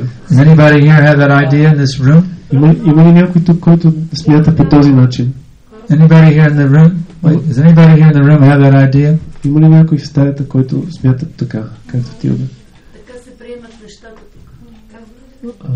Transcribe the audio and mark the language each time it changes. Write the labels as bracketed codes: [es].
[en] Does anybody here have that idea in this room? [bg] Има ли някой тук, който смята по този начин? [en] Anybody here in the room? Wait, does anybody here in the room have that idea? [bg] Има ли някой в стаята, който смята така, както ти обе? Така се приемат нещата тук.